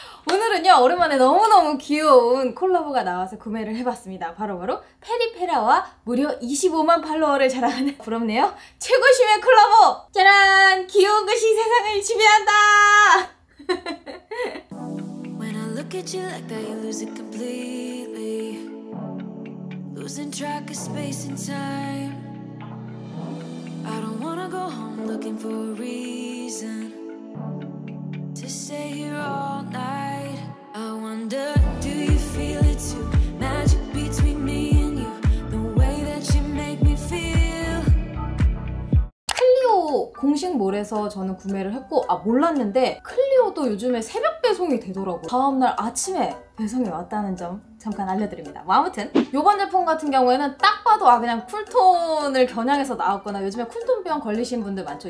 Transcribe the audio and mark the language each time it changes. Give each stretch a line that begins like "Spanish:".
Korean: 오늘은요, 오랜만에 너무너무 귀여운 콜라보가 나와서 구매를 해봤습니다. 바로 페리페라와 무려 25만 팔로워를 자랑하는, 부럽네요, 최고심의 콜라보! 짜란! 귀여운 것이 세상을 지배한다!
English: When I look at you like that you lose it completely. Losing track of space and time. I don't wanna go home looking for a reason to stay here all night. I wonder, do you feel it too? Magic between me and you, the way that you make me feel.
Korean: 클리오 공식 몰에서 저는 구매를 했고, 아 몰랐는데 클리오도 요즘에 새벽 배송이 되더라고. 다음날 아침에 배송이 왔다는 점 잠깐 알려드립니다. 뭐 아무튼 요번 제품 같은 경우에는 딱 봐도 아 그냥 쿨톤을 겨냥해서 나왔거나, 요즘에 쿨톤병 걸리신 분들 많죠.